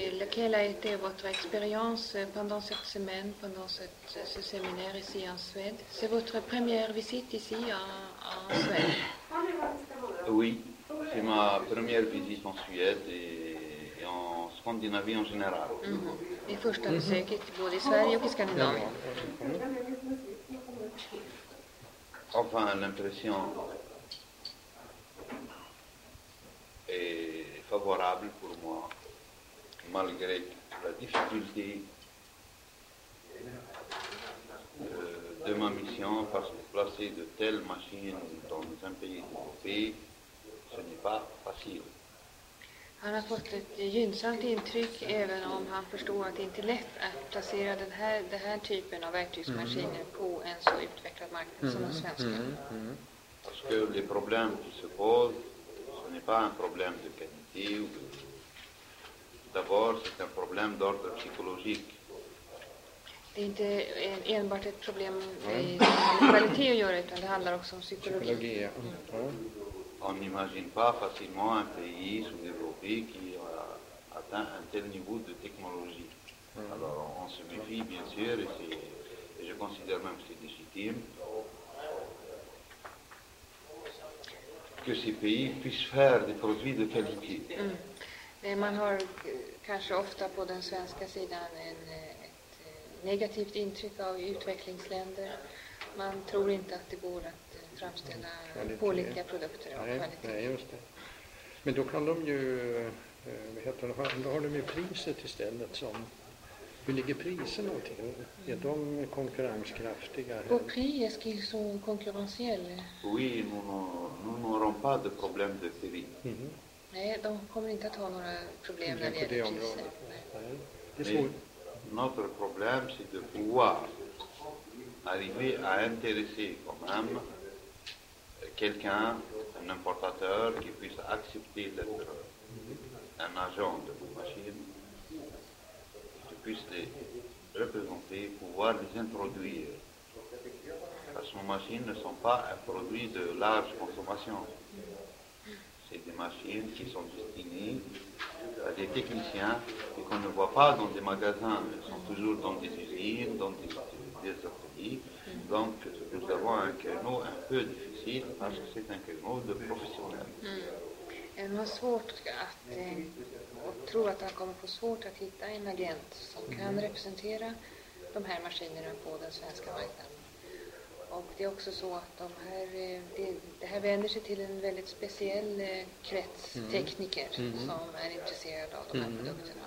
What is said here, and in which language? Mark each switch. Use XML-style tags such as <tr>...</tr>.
<fr>Quelle a été votre expérience pendant cette semaine, pendant ce séminaire ici en Suède? C'est votre première visite ici en Suède? Oui, c'est ma première visite en Suède et en Scandinavie en général.</fr> <sv>Et första besöket både i Sverige och i Skandinavien.</sv> <fr>Enfin, l'impression est favorable pour moi. Malgré la difficulté de ma mission, parce que placer de telles machines dans un pays développé, ce n'est pas facile.</fr> <sv>Han har fått ett gynnsamt intryck, även om han förstår att det inte är lätt att placera den här typen av verktygsmaskiner på en så utvecklad marknad som den svenska.</sv> <fr>Parce que les problèmes qui se posent, ce n'est pas un problème de qualité ou de. D'abord, c'est un problème d'ordre psychologique.</fr> <sv>Det är inte enbart ett problem med kvalitet att göra, utan det handlar också om psykologi.</sv> <fr>On n'imagine pas facilement un pays sous-développé qui a atteint un tel niveau de technologie. Alors, on se méfie, bien sûr, et je considère même que c'est légitime que ces pays puissent faire des produits de qualité.</fr> <sv>Man har kanske ofta på den svenska sidan ett negativt intryck av utvecklingsländer. Man tror inte att det går att framställa pålitliga produkter av kvalitet. Nej, just det. Men då kan de ju, vad heter det, då har de ju priset istället som... Hur ligger priset då till? Är de konkurrenskraftiga? Och priset är så konkurrensiella.</sv> <fr>Oui, nous n'aurons pas de problème de prix.</fr> <sv>Nej, de kommer inte att ha några problem när det gäller priset. Nej, det är svårt.</sv> <fr>Notre problème, c'est de pouvoir arriver à intéresser quand même quelqu'un, un importateur, qui puisse accepter d'être un agent de vos machines, qui puisse les représenter, pouvoir les introduire. Parce que nos machines ne sont pas un produit de large consommation. C'est des machines qui sont destinées à des techniciens et qu'on ne voit pas dans des magasins. Elles sont toujours dans des usines, dans des ateliers. Donc nous avons un créneau un peu difficile parce que c'est un créneau de professionnels. Mm.</fr> <sv>Man har svårt att tro att han kommer få svårt att hitta en agent som kan representera de här maskinerna på den svenska marknaden. Och det är också så att de här, det här vänder sig till en väldigt speciell krets tekniker som är intresserade av de här produkterna.</sv>